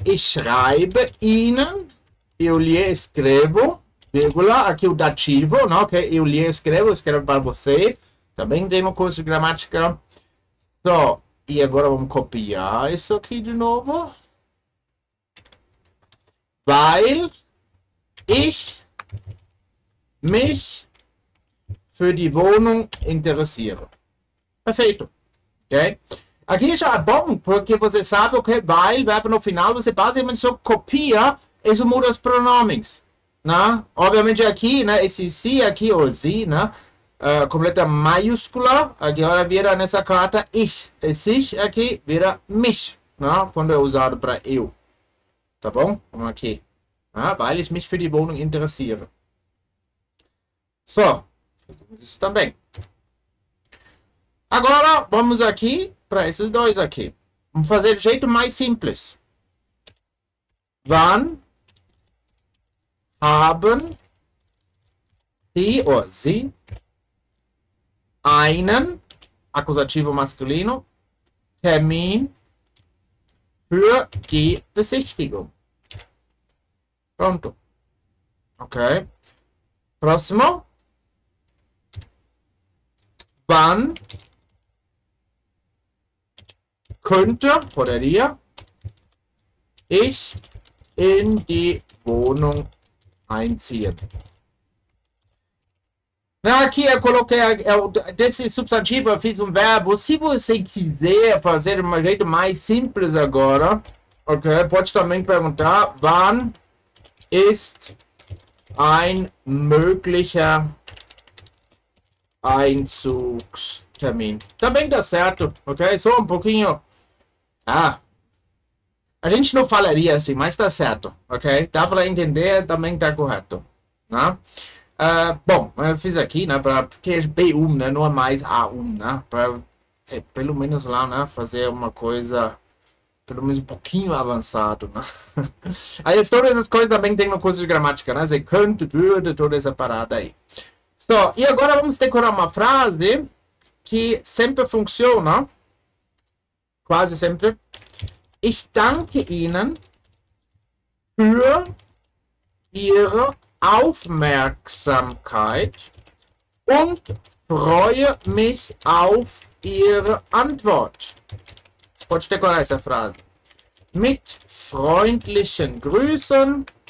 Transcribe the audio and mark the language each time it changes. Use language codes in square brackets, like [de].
[de] Ich schreibe Ihnen, [pt] eu lhe escrevo, vírgula, aqui o dativo, não? Okay. Eu lhe escrevo, escrevo para você. Também tem no curso de gramática. So, e agora vamos copiar isso aqui de novo. [de] Weil ich mich für die Wohnung interessiere. [pt] Perfeito, ok? Aqui já é bom, porque você sabe o que vai, verbo no final, você basicamente só copia e só muda os pronomes, né? Obviamente aqui, né, esse si aqui, ou si, né, com letra maiúscula, agora vira nessa carta ich, esse ich aqui vira mich, né, quando é usado para eu, tá bom? Vamos aqui, né? [de] Weil ich mich für die Wohnung interessiere. [pt] So, isso também. Agora, vamos aqui para esses dois aqui. Vamos fazer do jeito mais simples. [de] Wann haben Sie einen, [pt] acusativo masculino, [de] Termin für die Besichtigung? [pt] Pronto. Ok. Próximo. [de] Wann könnte, poderia, ich in die Wohnung einziehen. Na, hier, coloque, das ist Substantiv, Fis und Verbo. [pt] Se você quiser fazer um jeito mais simples agora, okay, pode também perguntar, [de] wann ist ein möglicher Einzugstermin? [pt] Também dá certo, okay? Só um pouquinho. Ah, a gente não falaria assim, mas tá certo, ok? Dá para entender, também tá correto, né? Bom, eu fiz aqui, né, pra, porque é B1, né, não é mais A1, né, para é, pelo menos lá, né, fazer uma coisa, pelo menos um pouquinho avançado, né. Aí todas essas coisas também tem no curso de gramática, né, você canta, tudo, toda essa parada aí. Só, e agora vamos decorar uma frase que sempre funciona, quase sempre. [de] Ich danke Ihnen für Ihre Aufmerksamkeit und freue mich auf Ihre Antwort. Das ist eine gute Frage. Mit freundlichen Grüßen.